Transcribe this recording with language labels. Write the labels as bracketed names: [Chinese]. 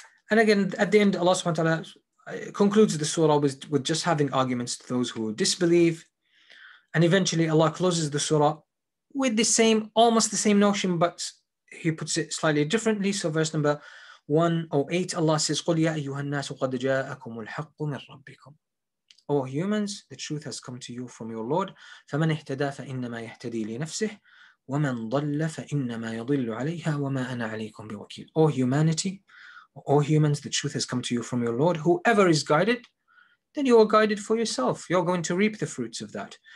[English] And again, at the end, Allah subhanahu wa ta'ala concludes the surah with just having arguments to those who disbelieve. And eventually Allah closes the surah with the same, almost the same notion, but He puts it slightly differently. So verse number 108, Allah says, [Arabic] قُلْ يَا أَيُّهَا النَّاسُ قَدْ جَاءَكُمُ الْحَقُّ مِنْ رَبِّكُمْ. [English] O humans, the truth has come to you from your Lord. [Arabic] فَمَنْ اِهْتَدَى فَإِنَّمَا يَهْتَدِي لِنَفْسِهِ وَمَنْ ضَلَّ فَإِنَّمَا يَضِلُّ عَلَيْهَا وَمَا أَنَا عَلَيْكُمْ بِوَكِيلٍ. [English] O humanity, O humans, the truth has come to you from your Lord. Whoever is guided, then you are guided for yourself. You're going to reap the fruits of that.